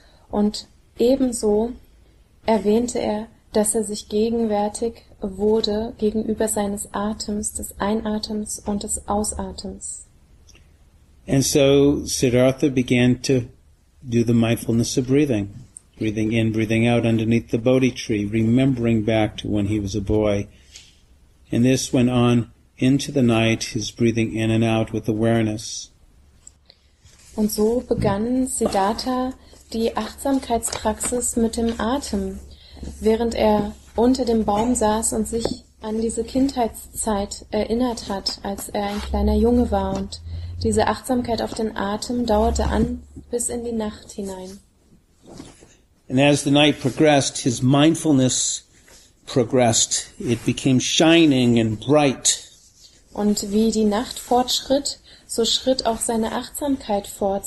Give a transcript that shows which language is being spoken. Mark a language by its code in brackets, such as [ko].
[de] Und ebenso erwähnte er, dass er sich gegenwärtig wurde gegenüber seines Atems, des Einatems und des Ausatems. [en] And so Siddhartha began to do the mindfulness of breathing. Breathing in, breathing out underneath the Bodhi tree, remembering back to when he was a boy. And this went on into the night, his breathing in and out with awareness. [de] Und so begann Siddhartha die Achtsamkeitspraxis mit dem Atem, während er unter dem Baum saß und sich an diese Kindheitszeit erinnert hat, als er ein kleiner Junge war. Und diese Achtsamkeit auf den Atem dauerte an bis in die Nacht hinein. [en] And as the night progressed, his mindfulness progressed. It became shining and bright. [de] Und wie die Nacht fortschritt, so schritt auch seine Achtsamkeit fort.